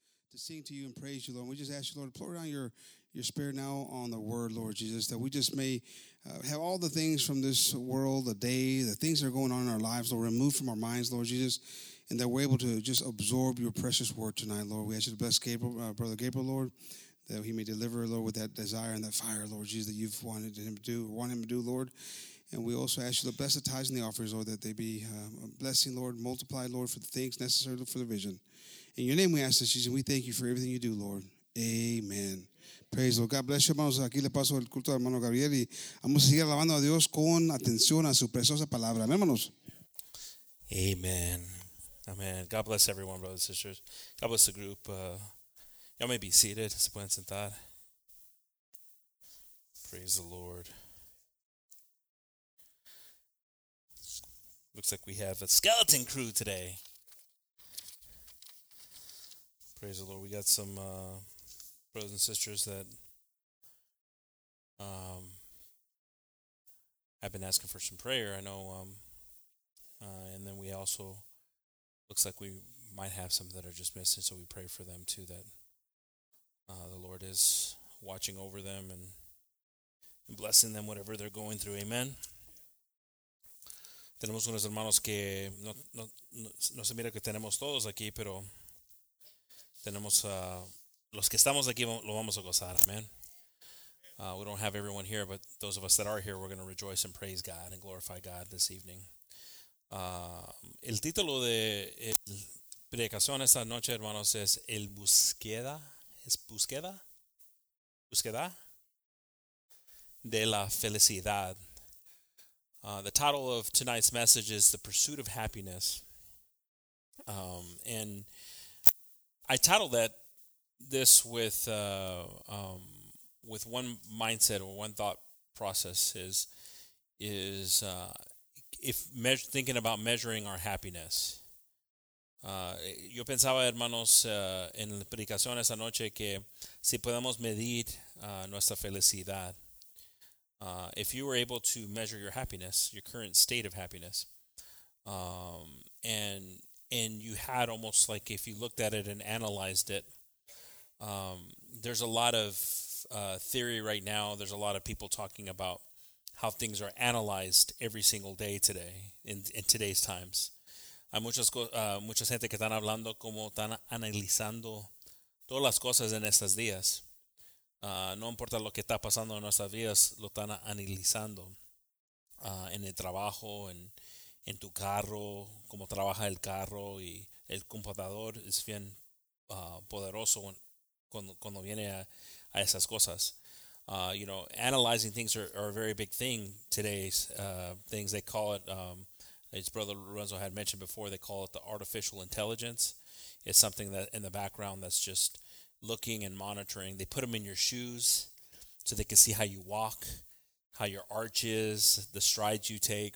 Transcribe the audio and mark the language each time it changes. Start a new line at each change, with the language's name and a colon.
English: to sing to you and praise you, Lord. We just ask you, Lord, to pour down your spirit now on the word, Lord Jesus, that we just may have all the things from this world, the day, the things that are going on in our lives, Lord, removed from our minds, Lord Jesus, and that we're able to just absorb your precious word tonight, Lord. We ask you to bless Gabriel, Brother Gabriel, Lord, that he may deliver, Lord, with that desire and that fire, Lord Jesus, that you've wanted him to do, Lord. And we also ask you to bless the tithes and the offerings, Lord, that they be a blessing, Lord, multiplied, Lord, for the things necessary for the vision. In your name we ask this, Jesus, and we thank you for everything you do, Lord. Amen. Praise Lord. God bless you, hermanos.
Spanish: Aquí le paso el culto a hermano Gabriel y vamos a seguir alabando a Dios con atención a su preciosa palabra. Amén, hermanos.
English: Amen. Amen. God bless everyone, brothers and sisters. God bless the group. Y'all may be seated.
Spanish: Se pueden sentar.
English: Praise the Lord. Looks like we have a skeleton crew today. Praise the Lord. We got some brothers and sisters that have been asking for some prayer. I know. And then we also, looks like we might have some that are just missing. So we pray for them too, that the Lord is watching over them and blessing them, whatever they're going through. Amen.
Spanish: Tenemos unos hermanos que no se mira que tenemos todos aquí, pero tenemos los que estamos aquí lo vamos a gozar, amen.
English: We don't have everyone here, but those of us that are here, we're going to rejoice and praise God and glorify God this evening.
Spanish: El título de predicación esta noche, hermanos, es el búsqueda, es búsqueda, búsqueda de la felicidad.
English: The title of tonight's message is The Pursuit of Happiness. And I titled that this with one mindset or one thought process is thinking about measuring our happiness.
Spanish: Yo pensaba, hermanos, en la predicación esa noche que si podemos medir nuestra felicidad.
English: If you were able to measure your happiness, your current state of happiness, and you had almost like if you looked at it and analyzed it, there's a lot of theory right now. There's a lot of people talking about how things are analyzed every single day today, in today's times.
Spanish: Hay mucha gente que están hablando como están analizando todas las cosas en estos días. No importa lo que está pasando en nuestras vidas, lo están analizando en el trabajo, en tu carro, cómo trabaja el carro y el computador es bien poderoso cuando viene a esas cosas.
English: You know, analyzing things are a very big thing today's things. They call it, as Brother Lorenzo had mentioned before, they call it the artificial intelligence. It's something that in the background that's just looking and monitoring. They put them in your shoes so they can see how you walk, how your arch is, the strides you take.